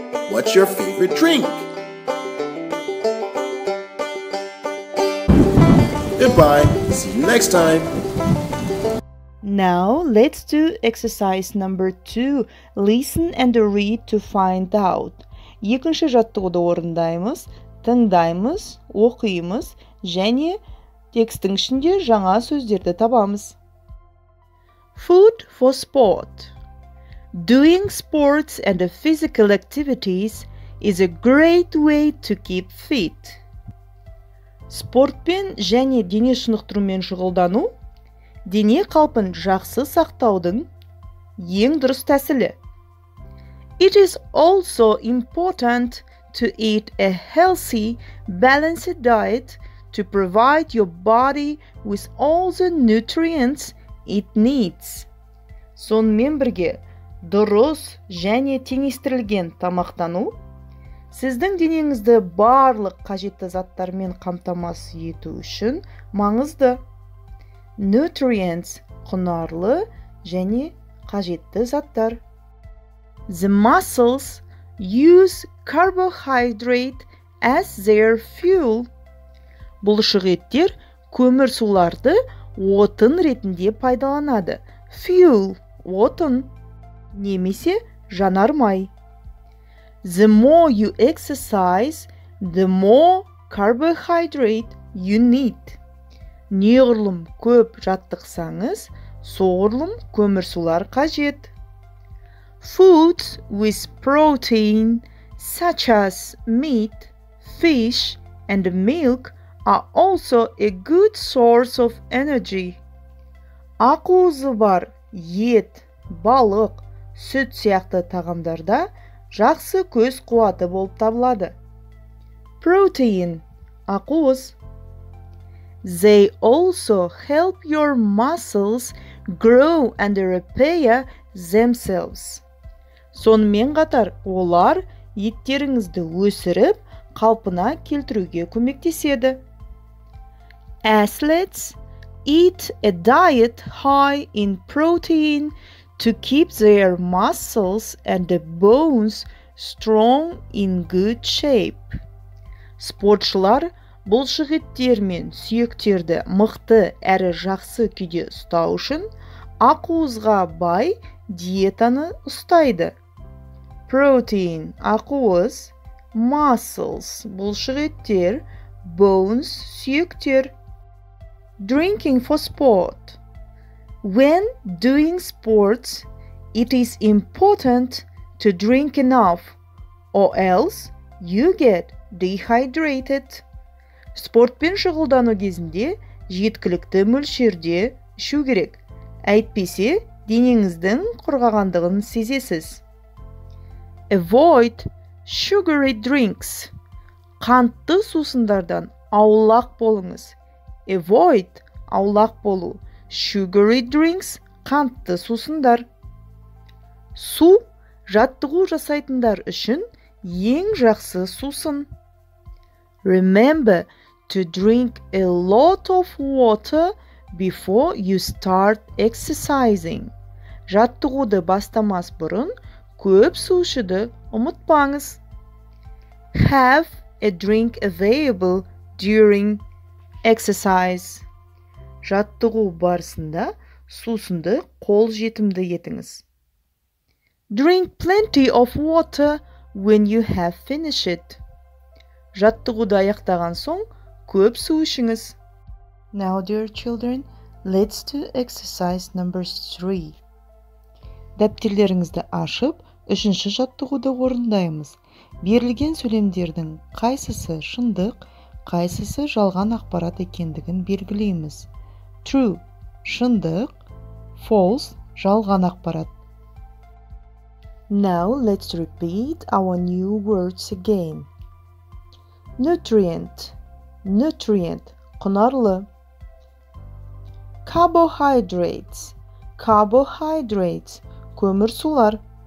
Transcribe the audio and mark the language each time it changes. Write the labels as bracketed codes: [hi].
[en] What's your favorite drink? Goodbye. See you next time. Now, let's do exercise number 2. Listen and read to find out. [kk] Екінші жаттығуды орындаймыз, тыңдаймыз, оқиымыз, және текстің ішінде жаңа сөздерді табамыз. [en] Food for sport. Doing sports and physical activities is a great way to keep fit. [kk] Спортпен және дене шынықтырумен шұғылдану дене қалпын жақсы сақтаудың ең дұрыс тәсілі. [en] It is also important to eat a healthy, balanced diet to provide your body with all the nutrients it needs. [kk] Сонымен бірге дұрыс және теңестірілген тамақтану сіздің денеңізді барлық қажетті заттармен қамтамасыз ету үшін маңызды. Nutrients – құнарлы және қажетті заттар. [en] The muscles use carbohydrate as their fuel. [kk] Бұлшық еттер көмір суларды отын ретінде пайдаланады. Fuel – отын, немесе жанармай. [en] The more you exercise, the more carbohydrate you need. [kk] Неғұрлым көп жаттықсаңыз, соғұрлым көмірсулар қажет. [en] Foods with protein, such as meat, fish, and milk, are also a good source of energy. [kk] Ақуызы бар ет, балық, сүт сияқты тағамдарда жақсы көз қуаты болып табылады. [en] Protein – ақуыз. They also help your muscles grow and repair themselves. [kk] Сонымен қатар, олар еттеріңізді өсіріп, қалпына келтіруге көмектеседі. [en] Athletes eat a diet high in protein to keep their muscles and bones strong in good shape. [kk] Спортшылар бұлшық еттер мен сүйектерді мықты әрі жақсы күйде ұстау үшін ақуызға бай диетаны ұстайды. Protein – ақуыз, muscles – бұлшық еттер, bones – сүйектер. [en] Drinking for sport. When doing sports, it is important to drink enough, or else you get dehydrated. [kk] Спортпен шұғылдану кезінде жеткілікті мөлшерде ішу керек. Әйтпесе, денеңіздің құрғағандығын сезесіз. [en] Avoid sugary drinks. [kk] Қантты сусындардан аулақ болыңыз. Avoid – аулақ болу. Sugary drinks – қантты сусындар. Су – жаттығу жасайтындар үшін ең жақсы сусын. [en] Remember to drink a lot of water before you start exercising. [kk] Жаттығуды бастамас бұрын көп су ішуді ұмытпаңыз. [en] Have a drink available during exercise. [kk] Жаттығу барысында сусынды қол жетімді етіңіз. [en] Drink plenty of water when you have finished it. [kk] Жаттығуды аяқтаған соң көп су ішіңіз. [en] Now, dear children, let's do exercise number 3. [kk] Дәптерлеріңізді ашып, үшінші жаттығуды орындаймыз. Берілген сөйлемдердің қайсысы шындық, қайсысы жалған ақпарат екендігін белгілейміз. True – шындық, false – жалған ақпарат. [en] Now, let's repeat our new words again. Nutrient – nutrient – құнарлы. Carbohydrates – carbohydrates – көмірсулар.